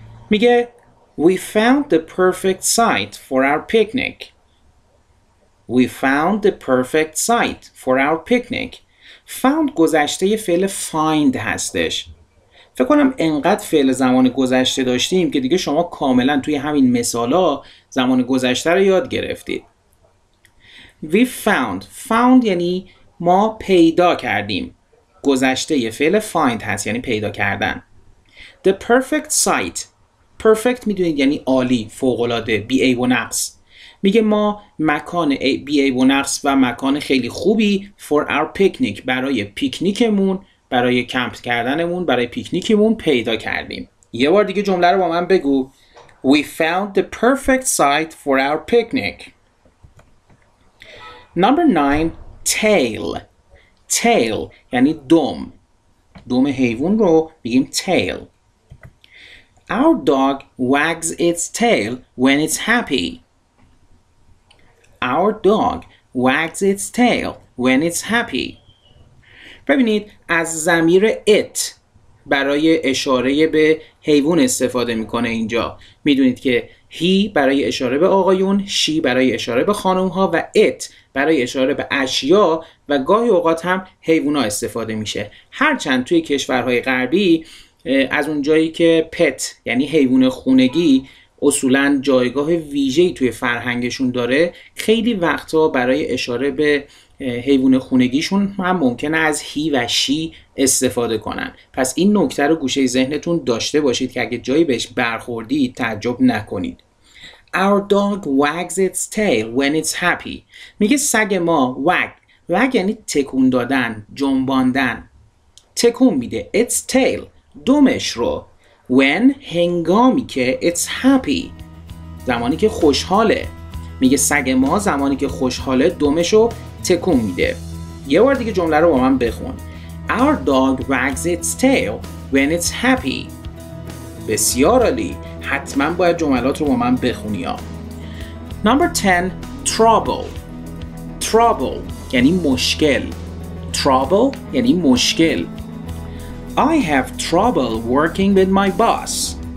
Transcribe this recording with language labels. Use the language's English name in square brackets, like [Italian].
[English] میگه We found the perfect site for our picnic. We found the perfect site for our picnic. [Persian] Found گذشته فعل find هستش. فکر کنم انقدر فعل زمان گذشته داشتیم که دیگه شما کاملا توی همین مثالا زمان گذشته رو یاد گرفتید. [English] We found. [Persian] Found یعنی ما پیدا کردیم. گذشته فعل find هست یعنی پیدا کردن. [English] The perfect site. [Persian] Perfect میدونید یعنی عالی، فوق‌العاده، بی عیب و نقص. میگه ما مکان بی عیب و نقص و مکان خیلی خوبی [English] for our picnic، [Persian] برای پیکنیکمون، برای کمپ کردنمون، برای پیکنیکمون پیدا کردیم. یه بار دیگه جمله رو با من بگو. [English] We found the perfect site for our picnic. Number 9. Tail. Tail [Persian] یعنی دم. دم حیوان رو میگیم tail. [English] Our dog wags its tail when it's happy. Our dog wags its tail when it's happy. [Persian] ببینید از ضمیر it برای اشاره به حیوان استفاده میکنه اینجا. میدونید که he برای اشاره به آقایون، she برای اشاره به خانوم ها و it برای اشاره به اشیا و گاهی اوقات هم حیوان ها استفاده میشه. هرچند توی کشورهای غربی از اونجایی که پت یعنی حیوان خونگی اصولا جایگاه ویژه‌ای توی فرهنگشون داره، خیلی وقتا برای اشاره به حیوان خونگیشون هم ممکنه از هی و شی استفاده کنن. پس این نکته رو گوشه ذهنتون داشته باشید که اگه جایی بهش برخوردید تعجب نکنید. [English] Our dog wags its tail when it's happy. [Persian] میگه سگ ما wag. Wag یعنی تکون دادن، جنباندن. تکون میده [English] its tail، [Persian] دومش رو، when هنگامی که [English] it's happy، [Persian] زمانی که خوشحاله. میگه سگ ما زمانی که خوشحاله دومش رو تکون میده. یه بار دیگه جمله رو با من بخون. [English] Our dog wags its tail when it's happy. [Persian] بسیار عالی، حتما باید جملات رو با من بخونی. [English] Number 10. Trouble [Persian] یعنی مشکل. [English] Trouble [Persian] یعنی مشکل. [English] I have trouble working with my boss.